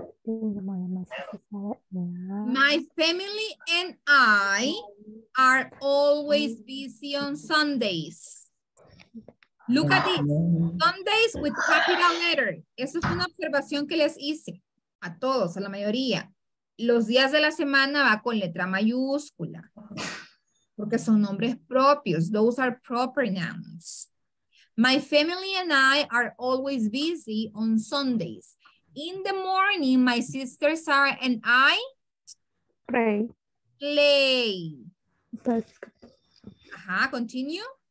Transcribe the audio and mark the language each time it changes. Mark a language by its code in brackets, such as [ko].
[en] My family and I are always busy on Sundays. Look at it. Sundays with capital letter. [es] Esa es una observación que les hice a todos, a la mayoría. Los días de la semana va con letra mayúscula. Porque son nombres propios. [en] Those are proper nouns. My family and I are always busy on Sundays. In the morning, my sister Sarah and I play. Play. Basketball. Ajá, continue.